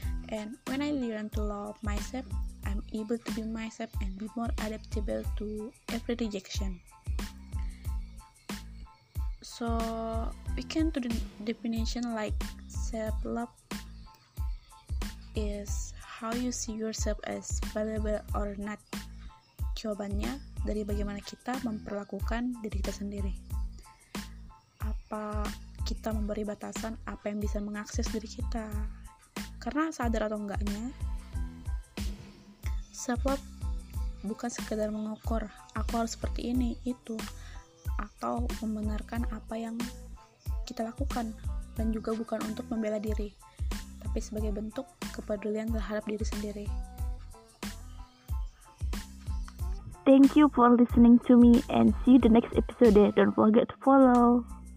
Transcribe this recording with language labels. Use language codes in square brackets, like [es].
[en] And when I learn to love myself, I'm able to be myself and be more adaptable to every rejection. So, we can to the definition like self-love is how you see yourself as valuable or not. [id] Jawabannya dari bagaimana kita memperlakukan diri kita sendiri. Apa kita memberi batasan apa yang bisa mengakses diri kita? Karena sadar atau enggaknya, self-love bukan sekedar mengukur, aku harus seperti ini, itu, atau membenarkan apa yang kita lakukan, dan juga bukan untuk membela diri, tapi sebagai bentuk kepedulian terhadap diri sendiri. [en] Thank you for listening to me and see you the next episode. Don't forget to follow.